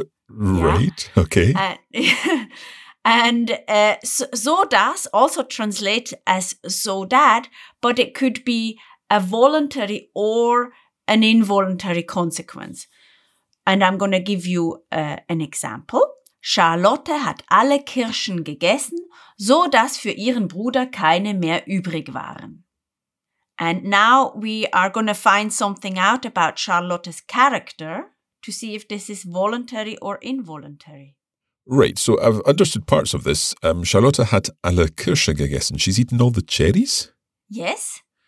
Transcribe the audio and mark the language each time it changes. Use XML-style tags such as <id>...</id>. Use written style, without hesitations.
<en>Right. Yeah? Okay. And Zodas also translates as Zodad, but it could be a voluntary or an involuntary consequence. And I'm going to give you an example.</en> <de>Charlotte hat alle Kirschen gegessen, so dass für ihren Bruder keine mehr übrig waren.</de> <en>And now we are going to find something out about Charlotte's character to see if this is voluntary or involuntary. Right, so I've understood parts of this.</en> <de>Charlotte hat alle Kirschen gegessen.</de> <en>She's eaten all the cherries? Yes.</en>